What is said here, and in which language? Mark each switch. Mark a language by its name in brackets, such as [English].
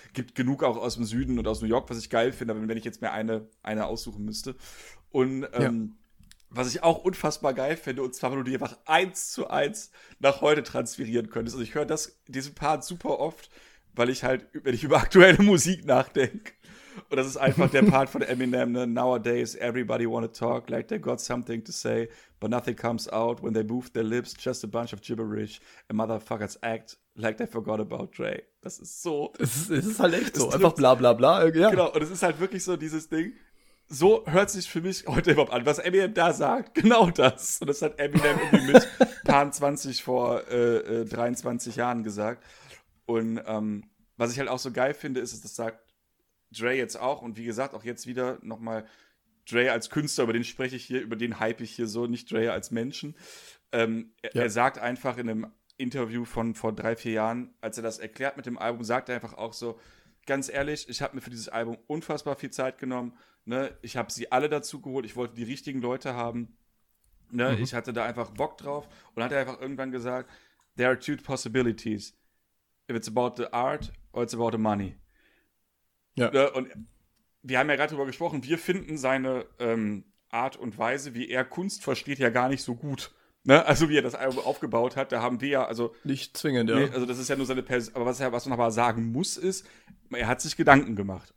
[German] Gibt genug auch aus dem Süden und aus New York, was ich geil finde, wenn ich jetzt mir eine aussuchen müsste. Und, was ich auch unfassbar geil fände, und zwar, wenn du die einfach eins zu eins nach heute transferieren könntest. Also ich höre diesen Part super oft, weil ich halt, wenn ich über aktuelle Musik nachdenke. Und das ist einfach der Part von Eminem, ne? [English] Nowadays everybody wanna talk like they got something to say, but nothing comes out when they move their lips, just a bunch of gibberish, and motherfuckers act like they forgot about Dre. [German] Das ist so, Es ist halt echt es so, einfach trifft's. bla bla bla, Genau, ja. und es ist halt wirklich so dieses Ding. So hört sich für mich heute überhaupt an, was Eminem da sagt. Genau das. Und das hat Eminem irgendwie mit paar 20 vor 23 Jahren gesagt. Und was ich halt auch so geil finde, ist, dass das sagt Dre jetzt auch. Und wie gesagt, auch jetzt wieder nochmal Dre als Künstler, über den spreche ich hier, über den hype ich hier so, nicht Dre als Menschen. Er sagt einfach in einem Interview von vor 3, 4 Jahren, als er das erklärt mit dem Album, sagt er einfach auch so: Ganz ehrlich, ich habe mir für dieses Album unfassbar viel Zeit genommen. Ne, ich habe sie alle dazu geholt. Ich wollte die richtigen Leute haben. Ne, ich hatte da einfach Bock drauf und hatte einfach irgendwann gesagt: [English] There are two possibilities. If it's about the art or it's about the money. [German] Ne, und wir haben ja gerade darüber gesprochen: Wir finden seine Art und Weise, wie er Kunst versteht, ja gar nicht so gut. Ne, also, wie er das Album aufgebaut hat, da haben wir ja, also, Nicht zwingend, nee, ja. also, das ist ja nur seine Person. Aber was man aber sagen muss, ist, er hat sich Gedanken gemacht.